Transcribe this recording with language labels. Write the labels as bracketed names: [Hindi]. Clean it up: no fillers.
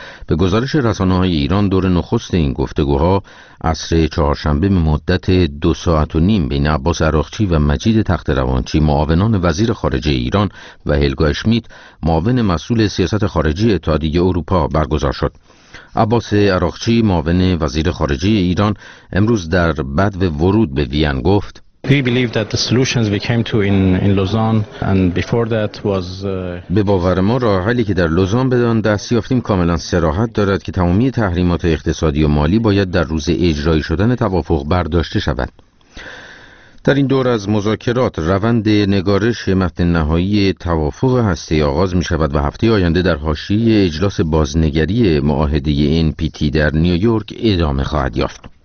[Persian] به گزارش رسانه‌های ایران دور نخست این گفتگوها عصر چهارشنبه مدت 2.5 ساعت بین عباس عراقچی و مجید تخت‌روانچی معاونان وزیر خارجه ایران و هلگا اشمیت معاون مسئول سیاست خارجی اتحادیه اروپا برگزار شد. عباس عراقچی معاون وزیر خارجه ایران امروز در بدو ورود به وین گفت: [English] We believe that the solutions we came to in Lausanne and before that was [Persian] به باور ما راه حلی که در لوزان به آن دست یافتیم کاملا صراحت دارد که تمامی تحریمات اقتصادی و مالی باید در روز اجرایی شدن توافق برداشته شود. در این دور از مذاکرات روند نگارش متن نهایی توافق هسته‌ای آغاز می شود و هفته آینده در حاشیه اجلاس بازنگری معاهده NPT در نیویورک ادامه خواهد یافت.